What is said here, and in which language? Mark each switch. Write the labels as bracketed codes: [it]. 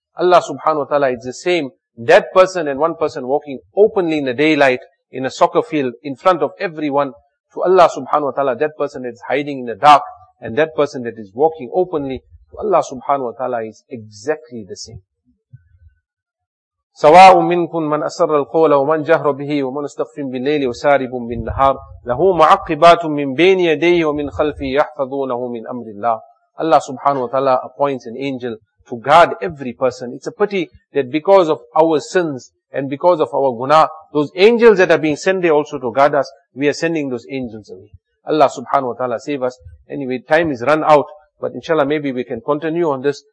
[en] Allah subhanahu wa ta'ala, it's the same. That person and one person walking openly in the daylight, in a soccer field, in front of everyone. To Allah subhanahu wa ta'ala, that person that's hiding in the dark, and that person that is walking openly, to Allah subhanahu wa ta'ala, is exactly the same. [ar] سواء منكم من أسر القول ومن جهر به ومن استخف بالليل وسارب بالنهار له معقبات من بين يديه ومن خلفه يحفظونه من أمر الله. [en] Allah subhanahu wa ta'ala appoints an angel to guard every person. It's a pity that because of our sins and because of our guna, those angels that are being sent there also to guard us, we are sending those angels away. Allah subhanahu wa ta'ala save us. Anyway, time is run out, but inshallah maybe we can continue on this.